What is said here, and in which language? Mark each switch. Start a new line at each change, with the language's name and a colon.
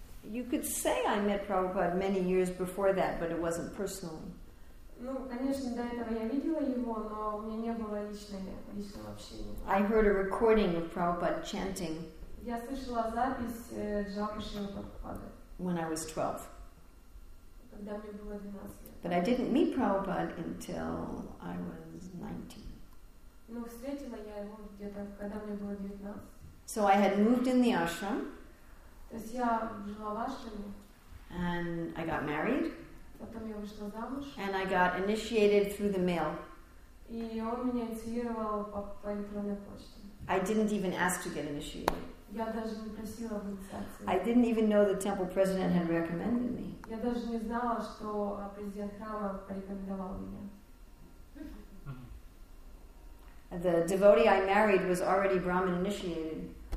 English: You could say I met Prabhupada many years before that, but it wasn't personally.
Russian: Ну, конечно, до этого я видела его, но у меня не было личного общения.
English: I heard a recording of Prabhupada chanting.
Russian: Я слышала запись Джапы Шрила Прабхупады.
English: When I was 12.
Russian: Когда мне было 12 лет.
English: But I didn't meet Prabhupada until I was 19.
Russian: Ну, встретила я его где-то, когда мне было 19.
English: So I had moved in the ashram.
Russian: То есть я жила в ашраме.
English: And I got married.
Russian: Потом я вышла замуж.
English: And I got initiated through the mail.
Russian: И он меня инициировал по электронной почте.
English: I didn't even ask to get initiated.
Russian: Я даже не просила об инициации.
English: I didn't even know the temple president had recommended me.
Russian: Я даже не знала, что президент храма порекомендовал меня.
English: The devotee I married was already Brahmin initiated.